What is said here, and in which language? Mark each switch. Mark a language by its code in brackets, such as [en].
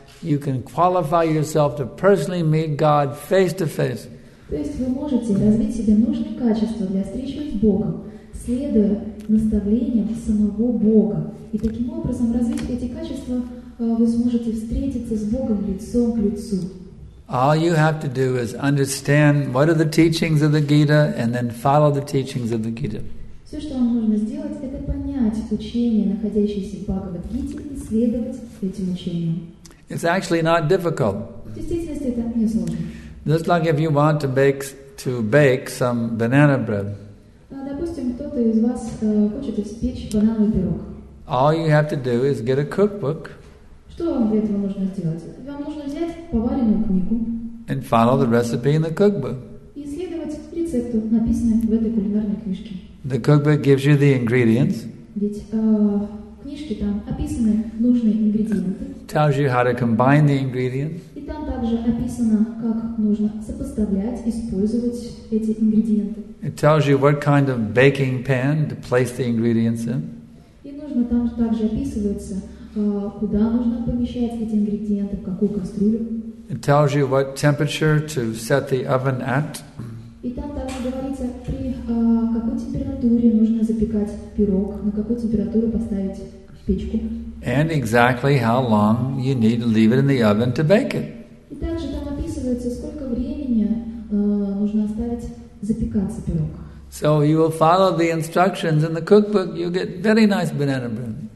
[en] You can qualify yourself to personally meet God face to face. [ru] То есть вы можете развить себе нужные качества для встречи с Богом, следуя наставлениям самого Бога. И таким образом, развив эти качества, вы сможете встретиться с Богом лицом к лицу. [en] All you have to do is understand what are the teachings of the Gita and then follow the teachings of the Gita. [ru] Все, что вам нужно сделать, это понять учение, находящееся в Бхагавад-гите, и следовать этим учениям. [en] It's actually not difficult. [ru] В действительности это не сложно. [en] Just like if you want to bake some banana bread. [ru] Допустим, кто-то из вас хочет испечь банановый пирог. [en] All you have to do is get a cookbook. [ru] Что вам для этого нужно сделать? Вам нужно взять поваренную книгу. [en] And follow the recipe in the cookbook. [ru] И следовать рецепту, написанному в этой кулинарной книжке. [en] The cookbook gives you the ingredients. [ru] Ведь в книжке там описаны нужные ингредиенты. [en] Tells you how to combine the ingredients. [ru] И там также описано, как нужно сопоставлять, использовать эти ингредиенты. [en] It tells you what kind of baking pan to place the ingredients in. [ru] И нужно там также описывается, куда нужно помещать эти ингредиенты, в какую кастрюлю. [en] It tells you what temperature to set the oven at. [ru] И там также говорится, при какой температуре нужно запекать пирог, на какую температуру поставить печку. [en] And exactly how long you need to leave it in the oven to bake it. [ru] И также там описывается, сколько времени нужно оставить запекаться пирог. [en] So you will follow the instructions in the cookbook, you get very nice banana bread.